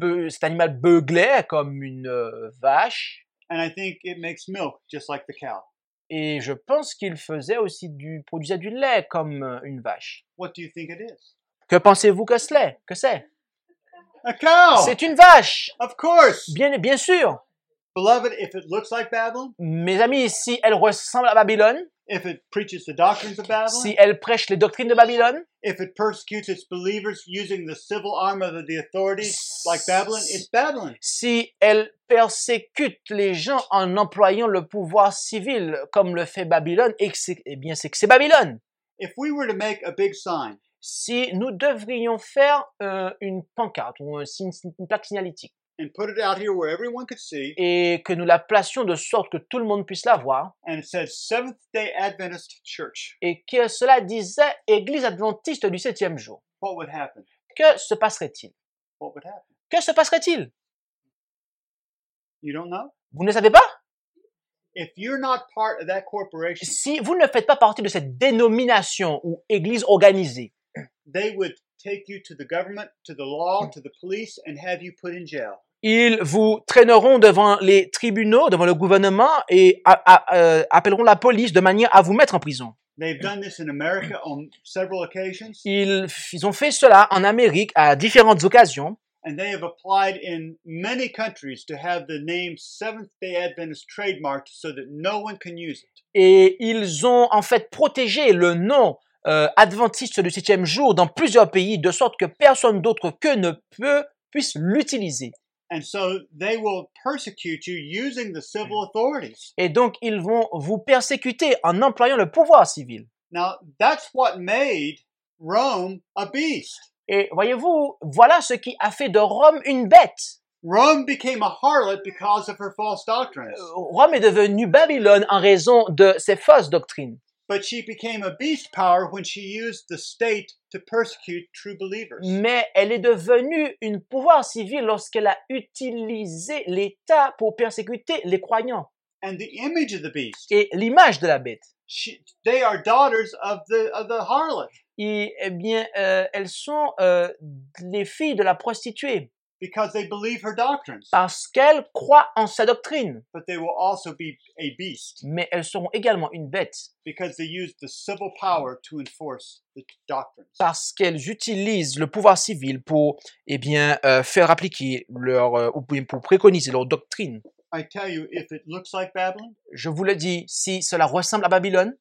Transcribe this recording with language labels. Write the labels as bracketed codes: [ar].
[fr] Cet animal beuglait comme une vache. [en] And I think it makes milk just like the cow. [fr] Et je pense qu'il faisait aussi produisait du lait comme une vache. [en] What do you think it is? [fr] Que pensez-vous que c'est? Que c'est? [en] A cow. [fr] C'est une vache. [en] Of course. [fr] Bien sûr. [en] Beloved, if it looks like Babylon, [fr] mes amis, si elle ressemble à Babylone, [en] if it preaches the doctrines of Babylon, [fr] si elle prêche les doctrines de Babylone, [en] if it persecutes its believers using the civil arm of the authorities like Babylon, it's Babylon. [fr] Si elle persécute les gens en employant le pouvoir civil comme le fait Babylone, c'est que c'est Babylone. [en] If we were to make a big sign, [fr] si nous devrions faire une pancarte ou une plaque signalétique, [en] and put it out here where everyone could see, [fr] et que nous la placions de sorte que tout le monde puisse la voir, [en] and it says Seventh-day Adventist Church, [fr] et que cela disait Église Adventiste du Septième Jour, [en] what would happen? [fr] Que se passerait-il? [en] What would happen? [fr] Que se passerait-il? [en] You don't know? [fr] Vous ne savez pas? [en] If you're not part of that corporation, [fr] si vous ne faites pas partie de cette dénomination ou Église organisée, [en] they would take you to the government, to the law, to the police, and have you put in jail. [fr] Ils vous traîneront devant les tribunaux, devant le gouvernement, et appelleront la police de manière à vous mettre en prison. [en] They've done this in America on several occasions. [fr] Ils ont fait cela en Amérique à différentes occasions. [en] And they have applied in many countries to have the name Seventh-day Adventist trademarked so that no one can use it. [fr] Et ils ont en fait protégé le nom Adventiste du Septième Jour dans plusieurs pays de sorte que personne d'autre que ne peut puisse l'utiliser. [en] And so they will persecute you using the civil authorities. [fr] Et donc ils vont vous persécuter en employant le pouvoir civil. [en] Now that's what made Rome a beast. [fr] Et voyez-vous, voilà ce qui a fait de Rome une bête. [en] Rome became a harlot because of her false doctrines. [fr] Rome est devenue Babylone en raison de ses fausses doctrines. [en] But she became a beast power when she used the state to persecute true believers. [fr] Mais elle est devenue une pouvoir civil lorsqu'elle a utilisé l'État pour persécuter les croyants. [en] And the image of the beast. [fr] Et l'image de la bête. [en] They are daughters of the harlot. [fr] Elles sont les filles de la prostituée. [en] Because they believe her doctrines. [fr] Parce qu'elles croient en sa doctrine. [en] But they will also be a beast. [fr] Mais elles seront également une bête. [en] Because they use the civil power to enforce the doctrines. [fr] Parce qu'elles utilisent le pouvoir civil pour faire appliquer leur pour préconiser leur doctrine. [en] I tell you, if it looks like Babylon, [fr] je vous le dis, si cela ressemble à Babylone,